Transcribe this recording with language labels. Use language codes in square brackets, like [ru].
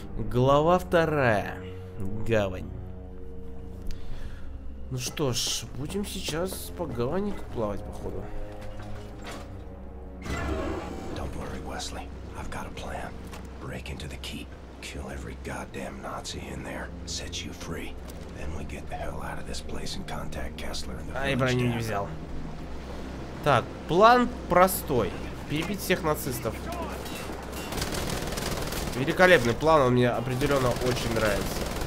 [ru] Глава вторая. Гавань. Ну что ж, будем сейчас по гавани плавать, походу. [en] Don't worry, Wesley. I've got a plan. Break into the keep, kill every goddamn Nazi in there, set you free. Then we get the hell out of this place and contact Kessler and the French. [ru] Ай, броню не взял. Так, план простой. Перебить всех нацистов. Великолепный план, он мне определенно очень нравится.